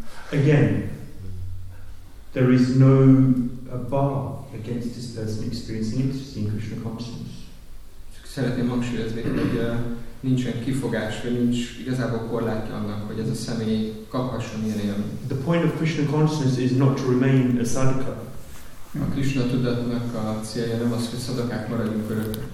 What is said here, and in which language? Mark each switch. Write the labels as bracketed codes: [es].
[en] Again, there is no a bar against this person experiencing ecstasy in Krishna consciousness. [hu] Szeretném hangsúlyozni, hogy nincsen kifogás, vagy nincs igazából korlátja annak, hogy ez a személy kaphasson ilyen élmény. [en] The point of Krishna consciousness is not to remain a sadhaka. [hu] A Krishna tudatnak a célja nem az, hogy szadakák maradjunk örök.